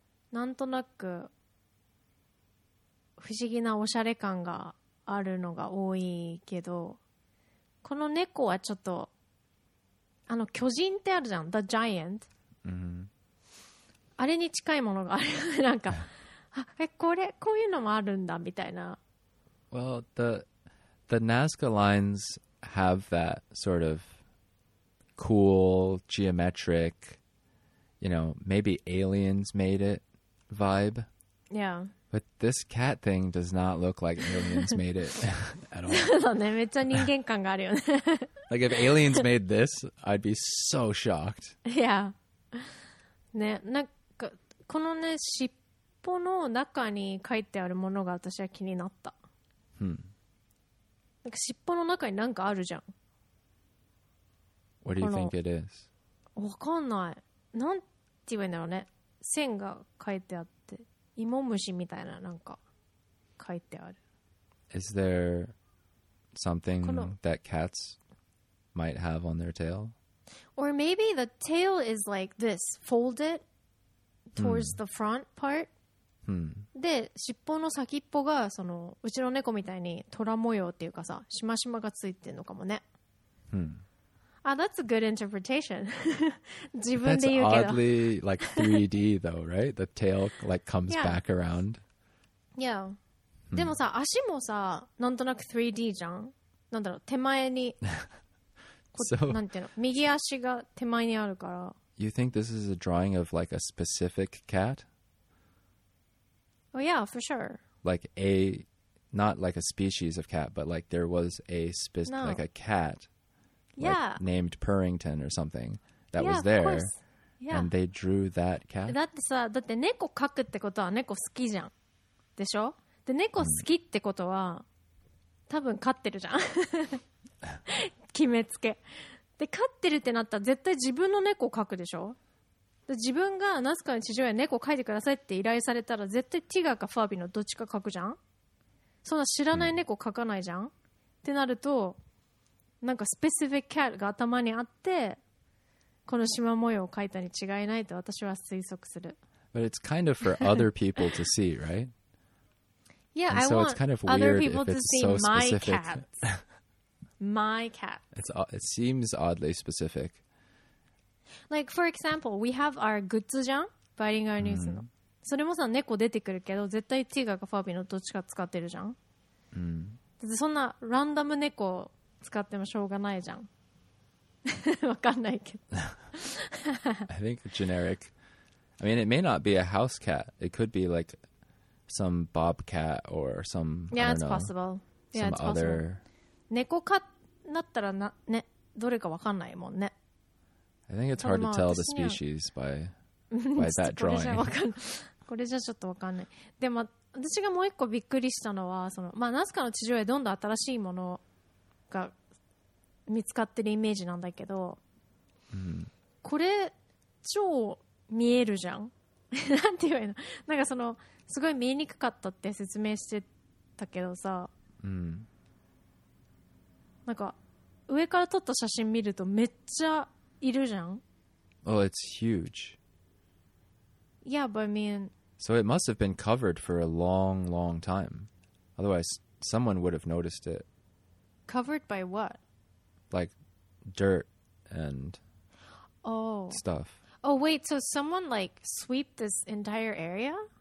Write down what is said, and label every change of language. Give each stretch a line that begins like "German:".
Japanese: なんとなく不思議なおしゃれ感があるのが多いけど、この猫はちょっと巨人ってあるじゃん、 The Giant、うん、あれに近いものがあるなんかこういうのもあるんだみたいな。
English: Well, The Nazca lines have that sort of cool, geometric, you know, maybe aliens made it vibe. Yeah. But this cat thing does not look like aliens made it at all.
Japanese: そうね、めっちゃ人間感があるよね。
English: Like if aliens made this, I'd be so shocked. Yeah.
Japanese: ね、なんかこのね、尻尾の中に書いてあるものが私は気になった。 Hmm. なんか尻尾の中になんかあるじゃん。
English: What do you think it is?
Japanese: わかんない。なんて言えばいいんだろうね。線が書いてあって、イモムシみたいななんか書いてある。
English: Is there something that cats might have on their tail? Or maybe the tail is like this, folded towards the front part?
Japanese: で尻尾の先っぽがそのうちの猫みたいに虎模様っていうかさ、しましまがついてるのかもね。
English: あ、that's a good interpretation.
Japanese: 自分で言うけど。
English: That's oddly like 3D though, right? The tail like comes back around. Yeah.
Japanese: でもさ、足もさ、なんとなく 3D じゃん。なんだろう、手前に。
English: So,
Japanese: なんていうの、右足が手前にあるから。
English: You think this is a drawing of like a specific cat? Oh, yeah, for sure. Like a, not like a species of cat, but like there was a specific, no. like a cat like yeah. named Purrington or something that yeah, was there. Of course. Yeah. And they drew that cat.
Japanese: だってさ、だって猫描くってことは猫好きじゃん。でしょ? で、猫好きってことは、多分飼ってるじゃん。決めつけ。で、飼ってるってなったら絶対自分の猫を描くでしょ?自分がナスカの地上絵猫描いてくださいって依頼されたら絶対ティガーかファービーのどっちか描くじゃん。そんな知らない猫描かないじゃん、うん、ってなるとなんかスペシフィックキャットが頭にあってこの縞模様を描いたに違いないと私は推測する。
English: But it's kind of for other people to see, right? Yeah, so I want kind of other people to see、 so、 my cats. My cats. It seems oddly specific Like, for example, we have our
Japanese: グッズじゃん?
English: Biting our news. Mm-hmm.
Japanese: それもさ猫出てくるけど絶対ティガーかファービーのどっちか使ってるじゃん、うん、だってそんなランダム猫使ってもしょうがないじゃんわかんないけど
English: I think generic I mean it may not be a house cat It could be like some bobcat or some Yeah it's possible Some yeah, it's other possible.
Japanese: 猫かなったらな、ね、どれかわかんないもんね
English: I think it's hard to tell the species by that drawing
Japanese: これじゃちょっとわかんないでも私がもう一個びっくりしたのはその、まあ、ナスカの地上絵どんどん新しいものが見つかってるイメージなんだけど、うん、これ超見えるじゃんなんて言えばいいのなんかそのすごい見えにくかったって説明してたけどさ、うん、なんか上から撮った写真見るとめっちゃいるじゃん
English: Oh, it's huge Yeah, but I mean So it must have been covered for a long, long time Otherwise, someone would have noticed it Covered by what? Like dirt and Oh. stuff. Oh, wait, so someone like sweeped this entire area?